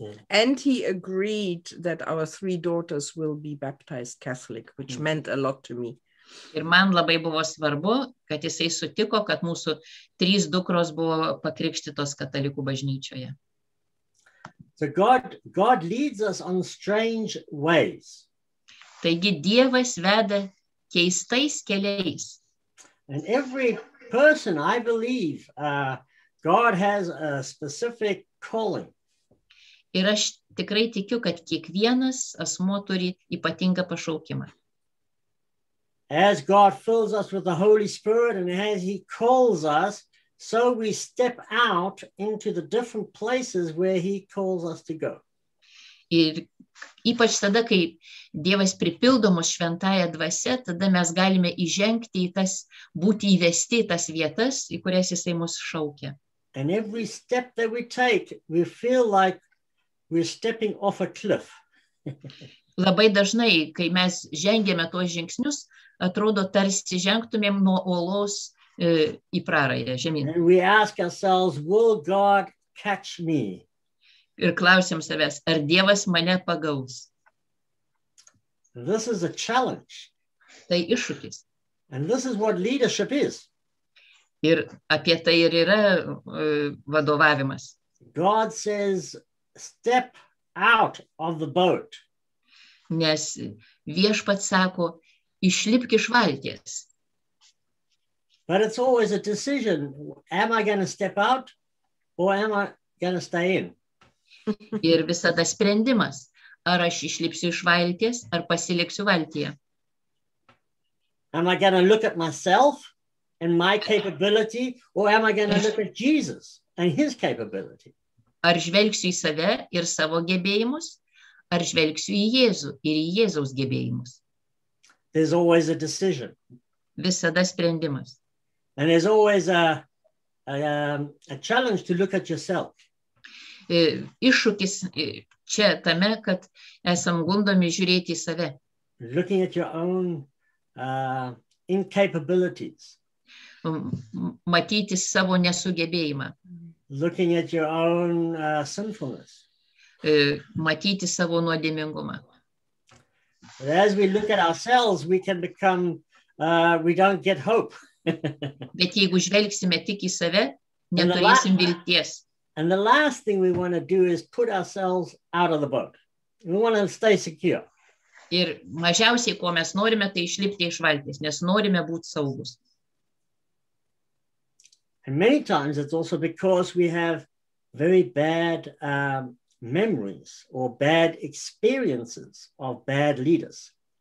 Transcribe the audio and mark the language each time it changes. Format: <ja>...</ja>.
<en>And he agreed that our three daughters will be baptized Catholic, which meant a lot to me.</en> <lt>Ir man labai buvo svarbu, kad jisai sutiko, kad mūsų trys dukros buvo pakrikštytos katalikų bažnyčioje.</lt> <en>So God leads us on strange ways.</en> <lt>Taigi Dievas veda keistais keliais.</lt> <en>And every person, I believe, God has a specific calling.</en> <lt>Ir aš tikrai tikiu, kad kiekvienas asmuo turi ypatingą pašaukimą.</lt> <en>As God fills us with the Holy Spirit and as he calls us, so we step out into the different places where he calls us to go.</en> <lt>Ir ypač tada, kai Dievas pripildo mus šventąją dvasę, tada mes galime įžengti į tas, būti įvesti į tas vietas, į kurias jisai mus šaukia.</lt> <en>And every step that we take, we feel like we're stepping off a cliff.</en> <lt>Labai dažnai, kai mes žengiame tuos žingsnius, atrodo, tarsi žengtumėm nuo uolos į prarąją žemyn.</lt> <en>And we ask ourselves, will God catch me?</en> <lt>Ir klausiam savęs, ar Dievas mane pagaus?</lt> <en>This is a challenge.</en> <lt>Tai iššūkis.</lt> <en>And this is what leadership is.</en> <lt>Ir apie tai ir yra vadovavimas.</lt> <en>God says, step out of the boat.</en> <lt>Nes Viešpats sako, išlipk iš valties.</lt> <en>But it's always a decision. Am I going to step out or am I going to stay in?</en> <lt>Ir visada sprendimas. Ar aš išlipsiu iš valties, ar pasiliksiu valtyje.</lt> <en>Am I going to look at myself and my capability, or am I going to look at Jesus and his capability?</en> <lt>Ar žvelgsiu į save ir savo gebėjimus, ar žvelgsiu į Jėzų ir į Jėzaus gebėjimus?</lt> <en>There's always a decision.</en> <lt>Visada sprendimas.</lt> <en>And there's always a challenge to look at yourself.</en> <lt>Iššūkis čia tame, kad esam gundomi žiūrėti į save.</lt> <en>Looking at your own incapabilities.</en> <lt>Matyti savo nesugebėjimą.</lt> <en>Looking at your own sinfulness.</en> <lt>Matyti savo nuodėmingumą.</lt> <en>But as we look at ourselves, we can become, we don't get hope.</en> <lt>Bet jeigu žvelgsime tik į save, neturėsim vilties.</lt> <en>And the last thing we want to do is put ourselves out of the boat. We want to stay secure.</en> <lt>Ir mažiausiai, ko mes norime, tai išlipti iš valties, nes norime būti saugus.</lt> <en>And many times it's also because we have very bad memories or bad experiences of bad leaders.</en>